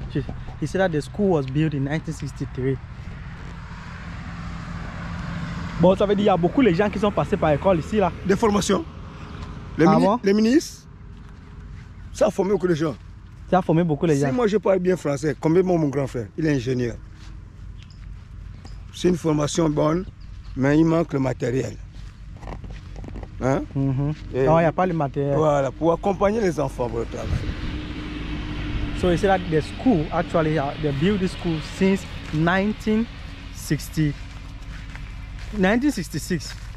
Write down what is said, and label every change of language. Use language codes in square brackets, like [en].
[en] He said that the school was built in 1963. [fr] Bon, ça veut dire qu'il y a beaucoup de gens qui sont passés par l'école ici là. Des formations. Les, les ministres. Ça a formé beaucoup de gens. Ça a formé beaucoup de gens. Si moi je parle bien français, combien mon grand frère, il est ingénieur. C'est une formation bonne, mais il manque le matériel. Hein? Mm-hmm. Non, il n'y a pas le matériel. Voilà, pour accompagner les enfants pour le travail. [en] So you see that the school actually they built the school since 1966.